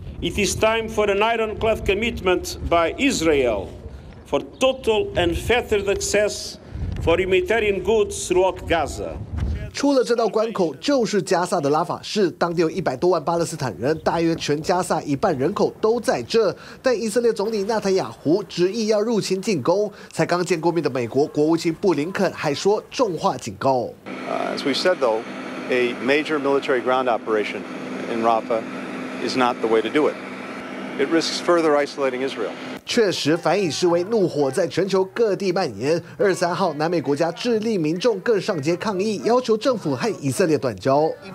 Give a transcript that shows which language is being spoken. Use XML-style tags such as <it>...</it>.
<en>It is time for an ironclad commitment by Israel for total and fettered access for humanitarian goods throughout Gaza.</en> <zh>出了这道关口就是加萨的拉法市，当地有100多万巴勒斯坦人，大约全加萨一半人口都在这。但以色列总理纳坦雅胡执意要入侵进攻，才刚见过面的美国国务卿布林肯还说重话警告。</zh> <en>As we said though, a major military ground operation in Rafah is not the way to do it. It risks further isolating Israel.</en> <zh>确实，反以示威怒火在全球各地蔓延。 23号，南美国家智利民众更上街抗议，要求政府和以色列断交。</zh>